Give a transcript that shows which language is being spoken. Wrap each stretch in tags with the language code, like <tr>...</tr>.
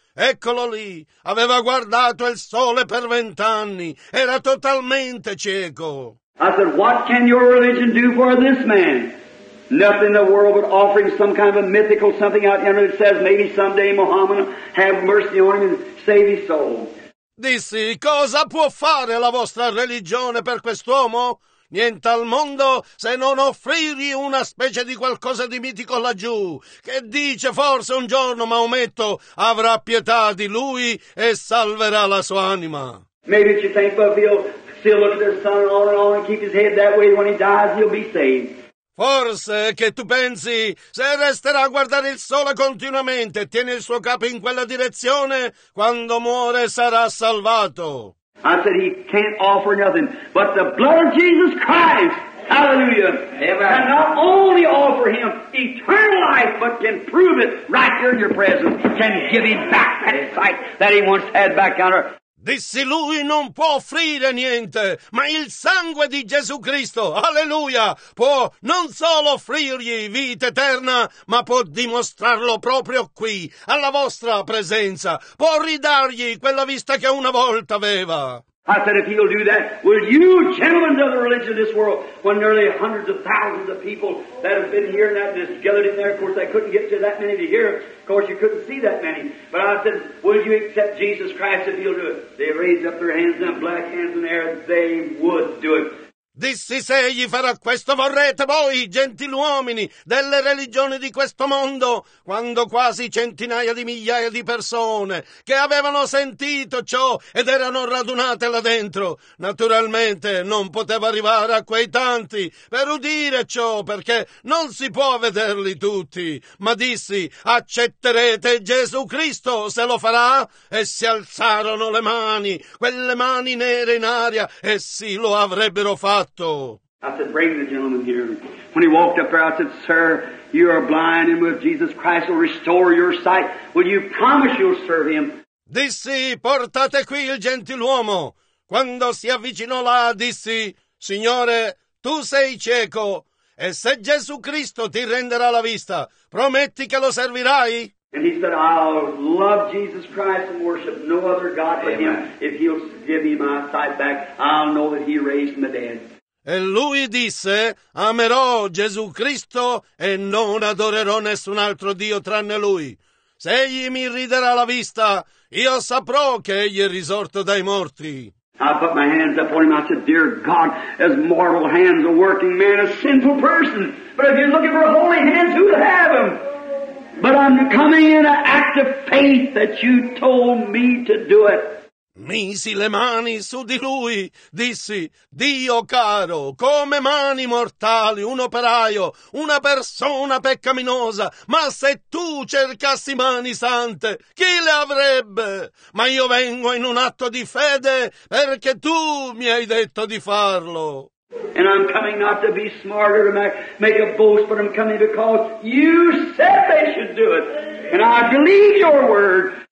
<it>Eccolo lì, aveva guardato il sole per 20 anni, era totalmente cieco.</it> <en>I said, what can your religion do for this man? Nothing in the world but offering some kind of a mythical something out there that says maybe someday Muhammad have mercy on him and save his soul.</en> <it>Dissi, cosa può fare la vostra religione per quest'uomo? Niente al mondo se non offrirgli una specie di qualcosa di mitico laggiù, che dice forse un giorno Maometto avrà pietà di lui e salverà la sua anima.</it> <en>Maybe you think but he'll still look at the sun all and all and keep his head that way when he dies he'll be saved.</en> <it>Forse che tu pensi, se resterà a guardare il sole continuamente e tiene il suo capo in quella direzione, quando muore sarà salvato.</it> <en>I said he can't offer nothing, but the blood of Jesus Christ, hallelujah, amen, can not only offer him eternal life, but can prove it right here in your presence, can give him back that sight that he once had back on earth.</en> <it>Dissi, lui non può offrire niente, ma il sangue di Gesù Cristo, alleluia, può non solo offrirgli vita eterna, ma può dimostrarlo proprio qui, alla vostra presenza, può ridargli quella vista che una volta aveva.</it> <en>I said, if he'll do that, will you, gentlemen of the religion of this world, when nearly hundreds of thousands of people that have been here and that gathered in there, of course, they couldn't get to that many to hear, of course, you couldn't see that many, but I said, will you accept Jesus Christ if he'll do it? They raised up their hands, them black hands in the air, they would do it.</en> <it>Dissi, se egli farà questo, vorrete voi, gentiluomini delle religioni di questo mondo, quando quasi centinaia di migliaia di persone che avevano sentito ciò ed erano radunate là dentro, naturalmente non poteva arrivare a quei tanti per udire ciò, perché non si può vederli tutti, ma dissi, accetterete Gesù Cristo se lo farà? E si alzarono le mani, quelle mani nere in aria, e sì, lo avrebbero fatto.</it> <en>I said, bring the gentleman here. When he walked up there, I said, sir, you are blind, and with Jesus Christ will restore your sight. Will you promise you'll serve him?</en> <it>Dissi, portate qui il gentiluomo. Quando si avvicinò là, dissi, signore, tu sei cieco, e se Gesù Cristo ti renderà la vista, prometti che lo servirai?</it> <en>And he said, I'll love Jesus Christ and worship no other God but him. If he'll give me my sight back, I'll know that he raised from the dead.</en> <it>E lui disse, amerò Gesù Cristo e non adorerò nessun altro Dio tranne lui. Se egli mi riderà la vista, io saprò che egli è risorto dai morti.</it> <en>I put my hands up on him. I said, dear God, as mortal hands, a working man, a sinful person. But if you're looking for holy hands, who'd have them? But I'm coming in an act of faith that you told me to do it.</en> <it>Misi le mani su di lui, dissi, Dio caro, come mani mortali, un operaio, una persona peccaminosa, ma se tu cercassi mani sante, chi le avrebbe? Ma io vengo in un atto di fede perché tu mi hai detto di farlo.</it> <en>And I'm coming not to be smarter to make a boast, but I'm coming because you said they should do it, and I believe your word.</en>